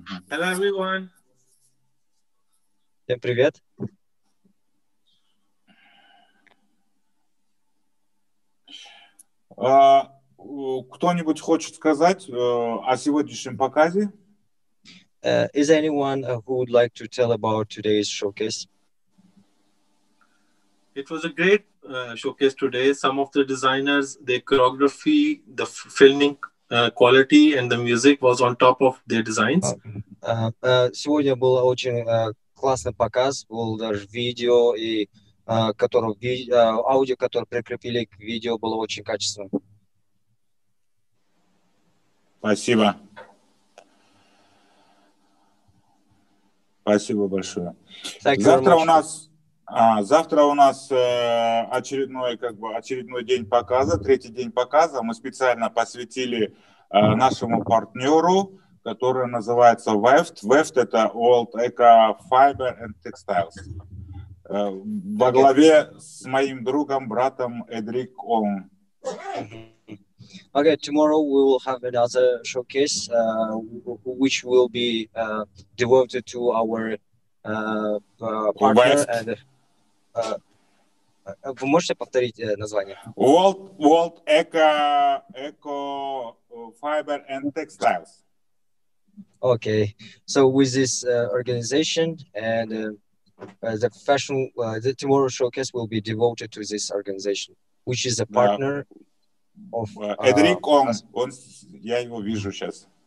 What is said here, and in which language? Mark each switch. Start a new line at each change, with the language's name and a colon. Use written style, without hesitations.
English: Hello, everyone.
Russian: Всем привет. Кто-нибудь хочет сказать о сегодняшнем показе?
English: Is anyone who would like to tell about today's showcase? It was a great showcase today. Some of the designers, their choreography, the filming quality and the music was on top of their designs.
Russian: Сегодня был очень классный показ, был даже видео и аудио, которое прикрепили к видео, было очень качественным. Спасибо. Спасибо большое. Завтра у нас очередной день показа, третий день показа. Мы специально посвятили нашему партнеру, который называется Weft. Weft — это World Eco Fiber and Textiles. Во главе с моим другом, братом Эдрик Ом.
English: Okay, tomorrow we will have another showcase, which will be devoted to our partner.
Russian: Вы можете повторить название?
English: World Eco Fiber and Textiles. Okay, so with this organization and the fashion, the tomorrow showcase will be devoted to this organization, which is a partner. Yeah.
Russian: Эдрик Онг, я его вижу сейчас.